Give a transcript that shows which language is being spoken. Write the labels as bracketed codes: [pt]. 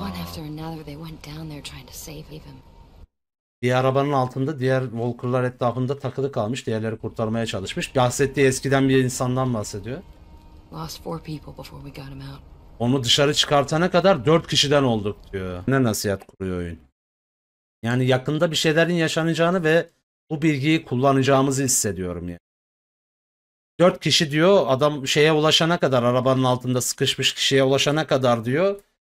[en] One after another they went down there trying to save him. [tr] Bir arabanın altında diğer walkerlar etrafında takılı kalmış, diğerleri kurtarmaya çalışmış. Bahsettiği eskiden bir insandan bahsediyor. [en] Lost four people before we got him out. [tr] Onu dışarı çıkartana kadar 4 kişiden olduk diyor. Ne nasihat kuruyor oyun. Yani yakında bir şeylerin yaşanacağını ve bu bilgiyi kullanacağımızı hissediyorum yani. Dört kişi diyor, adam şeye ulaşana kadar, arabanın altında sıkışmış kişiye ulaşana kadar diyor.